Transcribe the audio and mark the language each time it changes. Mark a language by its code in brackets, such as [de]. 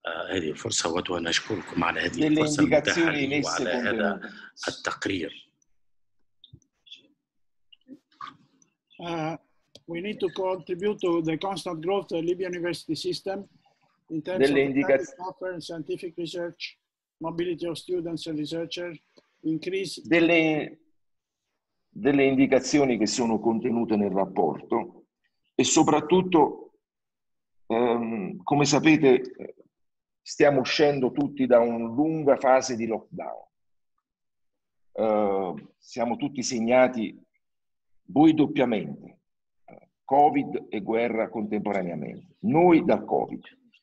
[ar] هذه الفرصة وأنا أشكركم على هذه الفرصة المتاحة لي وعلى هذا التقرير. [en] We need to contribute to the constant growth of the Libyan university system in terms of scientific research, mobility of students and researchers, increase. [it] Delle indicazioni che sono contenute nel rapporto e soprattutto, come sapete, stiamo uscendo tutti da una lunga fase di lockdown. Siamo tutti segnati, voi doppiamente, Covid e guerra contemporaneamente, noi dal Covid.